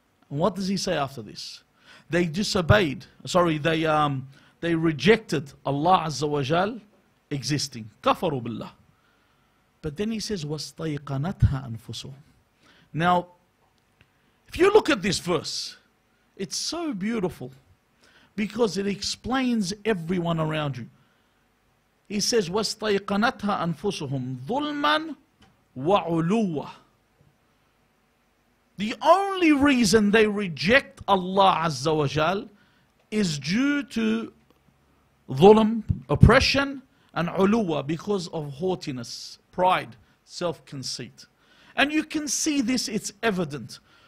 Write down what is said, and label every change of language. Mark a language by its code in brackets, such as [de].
[en] And what does He say after this? They disobeyed. Sorry, they rejected Allah Azza wa Jal existing. [ar] كَفَرُوا بِاللَّهِ. [en] But then He says, [ar] وَاسْطَيْقَنَتْهَا أَنفُسُهُمْ. [en] Now, if you look at this verse, it's so beautiful because it explains everyone around you. He says, [ar] وَاسْطَيْقَنَتْهَا أَنفُسُهُمْ ظُلْمًا وَعُلُوَّ. [en] The only reason they reject Allah Azza wa Jal is due to ظُلْم, oppression, and عُلُوَّ, because of haughtiness. Pride, self-conceit. And you can see this, it's evident.